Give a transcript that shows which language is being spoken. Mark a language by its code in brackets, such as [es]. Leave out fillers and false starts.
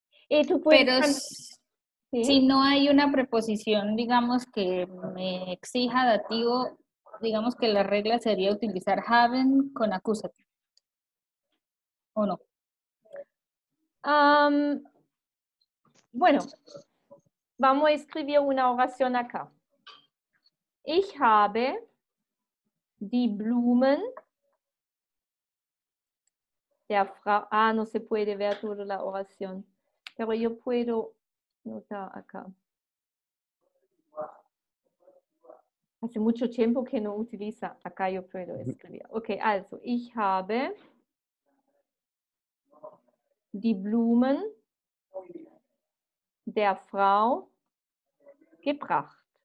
[es] Y tú puedes si no hay una preposición, digamos, que me exija dativo, digamos que la regla sería utilizar haben con acusativo. ¿O no? Bueno. Vamos a escribir una oración acá. [de] Ich habe die Blumen der Frau. [es] Ah, no se puede ver toda la oración. Pero yo puedo notar acá. Hace mucho tiempo que no utiliza. Acá yo puedo escribir. [de] Ok, also, ich habe die Blumen der Frau gebracht.